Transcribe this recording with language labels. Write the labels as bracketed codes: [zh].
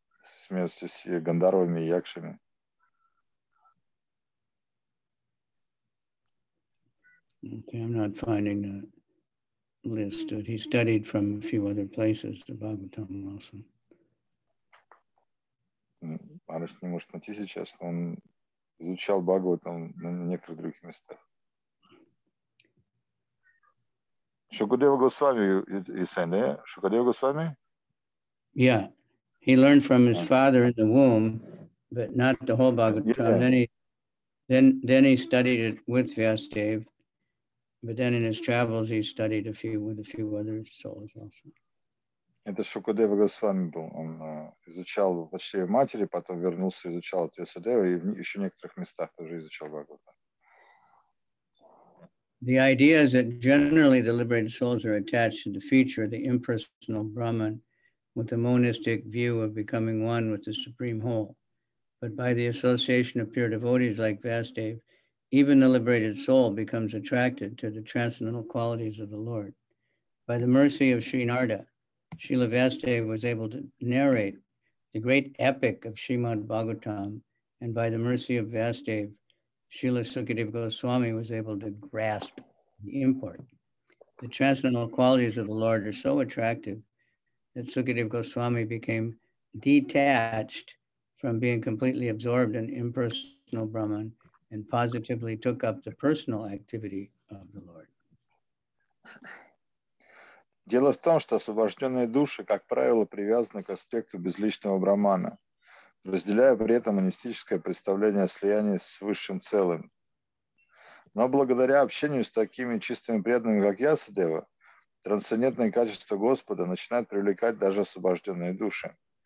[ru] смертью с гандарвами и якшами. [en] Okay, I'm not finding the list. He studied from a few other places, the Bhagavatam also. [ru] Марш не может найти сейчас, но он изучал Бхагаватам на некоторых других местах. [en] Шукадева Госвами, you said, yeah? Шукадева Госвами? Yeah. He learned from his father in the womb, but not the whole Bhagavatam. Yeah. Then he studied it with Vyasadeva. But then in his travels, he studied a few with a few other souls also. [ru] Это Шукадева Госвами был. Он изучал в чреве матери, потом вернулся, изучал от Вьясадева и в еще некоторых местах тоже изучал Бхагавата. [en] The idea is that generally the liberated souls are attached to the future, the impersonal Brahman, with the monistic view of becoming one with the Supreme Whole. But by the association of pure devotees like Vyasadeva, even the liberated soul becomes attracted to the transcendental qualities of the Lord. By the mercy of Sri Narada, Srila Vyasadeva was able to narrate the great epic of Srimad Bhagavatam, and by the mercy of Vyasadeva, Srila Sukadeva Goswami was able to grasp the import. The transcendental qualities of the Lord are so attractive that Sukadeva Goswami became detached from being completely absorbed in impersonal Brahman and positively took up the personal activity of the Lord. [ru] Дело в том, что освобожденные души, как правило, привязаны к аспекту безличного брахмана, разделяя при этом монистическое представление о слиянии с высшим целым. Но благодаря общению с такими чистыми преданными, как Ясадева, трансцендентные качества Господа начинают привлекать даже освобожденные души.